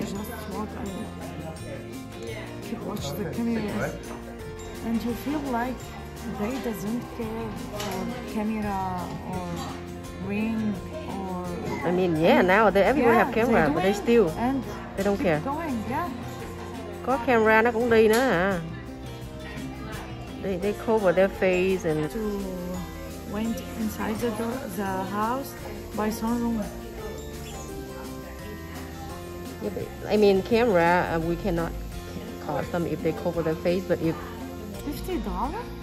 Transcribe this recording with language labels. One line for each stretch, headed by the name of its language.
English: You just walk and keep watch the cameras. And you feel like they doesn't care for camera or ring or... I mean, yeah, and now they everyone have camera, they but they still, and they don't care. Going, yeah.
Vietnamese: Có camera nó cũng đi nữa hả?
English: They cover their face and to went inside the door, the house by some room. Yeah, I mean camera we cannot cost them if they cover their face, but if $50